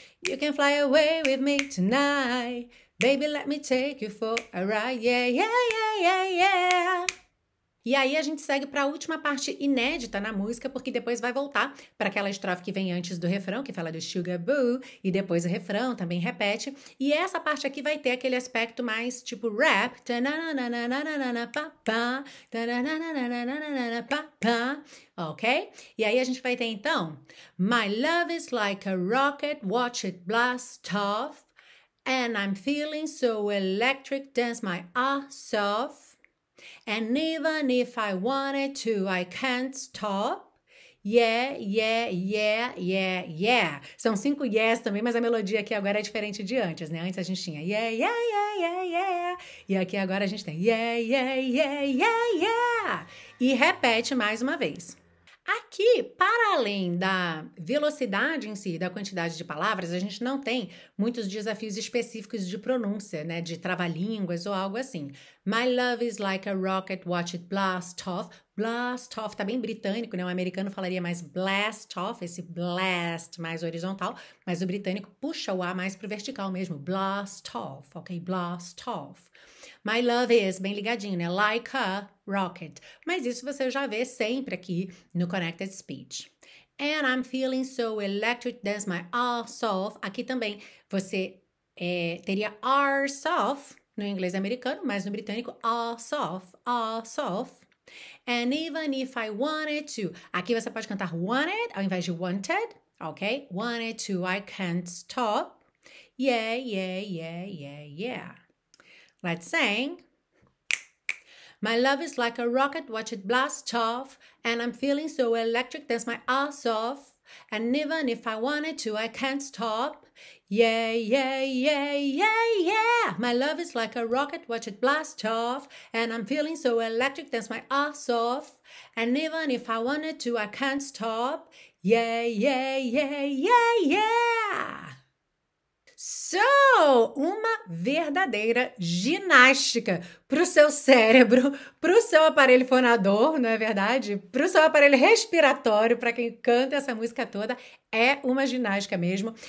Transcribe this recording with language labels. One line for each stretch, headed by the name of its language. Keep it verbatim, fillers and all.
English: You can fly away with me tonight. Baby, let me take you for a ride. Yeah, yeah, yeah, yeah, yeah.
Portuguese: E aí a gente segue para a última parte inédita na música, porque depois vai voltar para aquela estrofe que vem antes do refrão, que fala do Sugar Boo, e depois o refrão também repete. E essa parte aqui vai ter aquele aspecto mais tipo rap, tanananananananapapá, tananananananananapapá, ok? E aí a gente vai ter então
English: My love is like a rocket, watch it blast off, and I'm feeling so electric, dance my ass off. And even if I wanted to, I can't stop. Yeah, yeah, yeah, yeah, yeah.
Portuguese: São cinco yes também, mas a melodia aqui agora é diferente de antes, né? Antes a gente tinha yeah, yeah, yeah, yeah, yeah. E aqui agora a gente tem yeah, yeah, yeah, yeah, yeah. E repete mais uma vez. Aqui, para além da velocidade em si, da quantidade de palavras, a gente não tem muitos desafios específicos de pronúncia, né? De trava-línguas ou algo assim.
English: My love is like a rocket, watch it blast off.
Portuguese: Blast off, tá bem britânico, né? O americano falaria mais blast off, esse blast mais horizontal, mas o britânico puxa o A mais pro vertical mesmo.
English: Blast off, ok? Blast off. My love is,
Portuguese: bem ligadinho, né?
English: Like a rocket.
Portuguese: Mas isso você já vê sempre aqui no Connected Speech.
English: And I'm feeling so electric, that's my arse off.
Portuguese: Aqui também você é, teria arse off no inglês americano, mas no britânico arse off, arse off.
English: And even if I wanted to.
Portuguese: Aqui você pode cantar wanted ao invés de wanted, ok?
English: Wanted to, I can't stop. Yeah, yeah, yeah, yeah, yeah. Let's sing. My love is like a rocket, watch it blast off. And I'm feeling so electric, dance my ass off. And even if I wanted to, I can't stop. Yeah, yeah, yeah, yeah, yeah. My love is like a rocket, watch it blast off. And I'm feeling so electric, dance my ass off. And even if I wanted to, I can't stop. Yeah, yeah, yeah, yeah, yeah.
Portuguese: So, uma verdadeira ginástica para o seu cérebro, para o seu aparelho fonador, não é verdade? Para o seu aparelho respiratório, para quem canta essa música toda, é uma ginástica mesmo.